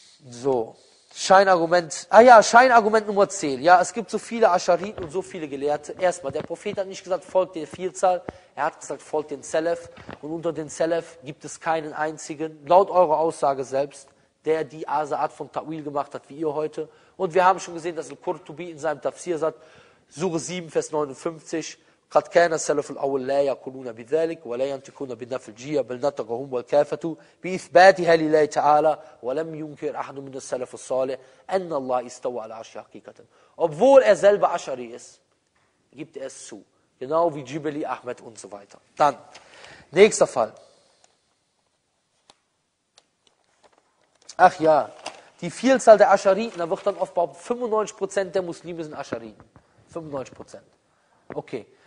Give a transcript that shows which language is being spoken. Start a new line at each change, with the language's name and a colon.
German: So, Scheinargument, Scheinargument Nummer 10. Ja, es gibt so viele Aschariten und so viele Gelehrte. Erstmal, der Prophet hat nicht gesagt, folgt der Vielzahl. Er hat gesagt, folgt den Salaf. Und unter den Salaf gibt es keinen einzigen, laut eurer Aussage selbst, der die Art von Ta'wil gemacht hat, wie ihr heute. Und wir haben schon gesehen, dass Al-Qurtubi in seinem Tafsir sagt, Sure 7, Vers 59,
Arabic: قد كان السلف الأول لا يقولون بذلك ولا ينطقون بنفي الجهة بل نطقهم والكافة بإثباتها لله تعالى ولم ينكر أحد من السلف الصالح أن الله استوى على العرش حقيقة.
German: Obwohl er selber Aschari ist, gibt er es zu. Genau wie Jibali, Ahmed und so weiter. Dann, nächster Fall. Ach ja, die Vielzahl der Aschariten, da wird dann oft behauptet, 95% der Muslime sind Aschariten. 95%. Okay.